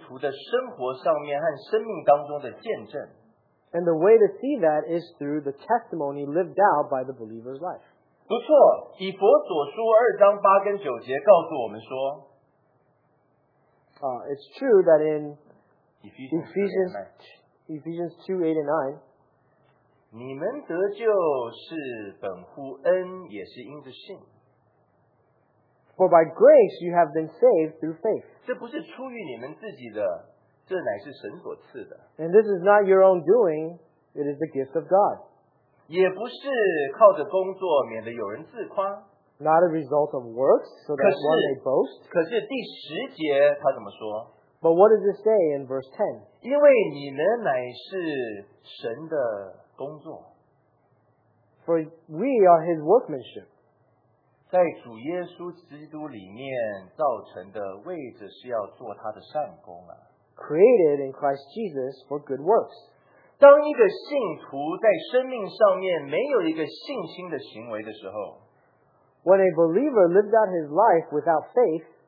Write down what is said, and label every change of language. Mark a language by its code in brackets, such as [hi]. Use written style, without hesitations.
[zh] 那就是在于一个信徒的生活上面和生命当中的见证。 [en] And the way to see that is through the testimony lived out by the believer's life. [zh] 不错，以弗所书2章8跟9节告诉我们说， [en] it's true that in Ephesians 2:8-9, [zh] 你们得救是本乎恩，也是因着信。 [en] For by grace you have been saved through faith. [zh] 这不是出于你们自己的。这乃是神所赐的。 [en] And this is not your own doing, it is the gift of God. [zh] 也不是靠着工作免得有人自夸。 [en] not a result of works, so that one may boast. [zh] 可是第十节他怎么说? [en] But what does it say in verse 10? [zh] 因为你们乃是神的工作。 [en] For we are His workmanship. [zh] 在主耶稣基督里面造成的位置是要做他的善功啊。 [en] Created in Christ Jesus for good works. [zh] 当一个信徒在生命上面没有一个信心的行为的时候, [en] when a believer lives out his life without faith,